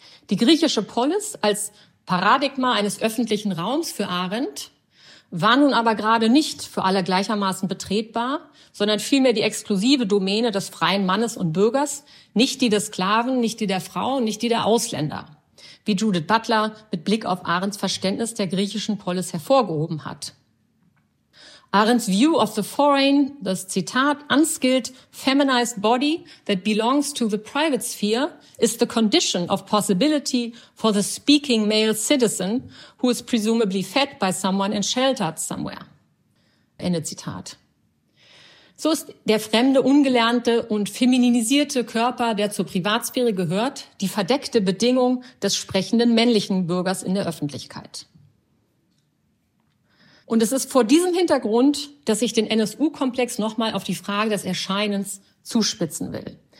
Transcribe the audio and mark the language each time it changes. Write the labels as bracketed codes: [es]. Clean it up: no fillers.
[de] Die griechische Polis als Paradigma eines öffentlichen Raums für Arendt war nun aber gerade nicht für alle gleichermaßen betretbar, sondern vielmehr die exklusive Domäne des freien Mannes und Bürgers, nicht die des Sklaven, nicht die der Frau, nicht die der Ausländer, wie Judith Butler mit Blick auf Arendts Verständnis der griechischen Polis hervorgehoben hat. [en] Arendts View of the Foreign, [de] das Zitat, [en] unskilled, feminized body that belongs to the private sphere, is the condition of possibility for the speaking male citizen who is presumably fed by someone and sheltered somewhere. [de] Ende Zitat. So ist der fremde, ungelernte und femininisierte Körper, der zur Privatsphäre gehört, die verdeckte Bedingung des sprechenden männlichen Bürgers in der Öffentlichkeit. Und es ist vor diesem Hintergrund, dass ich den NSU-Komplex nochmal auf die Frage des Erscheinens zuspitzen will.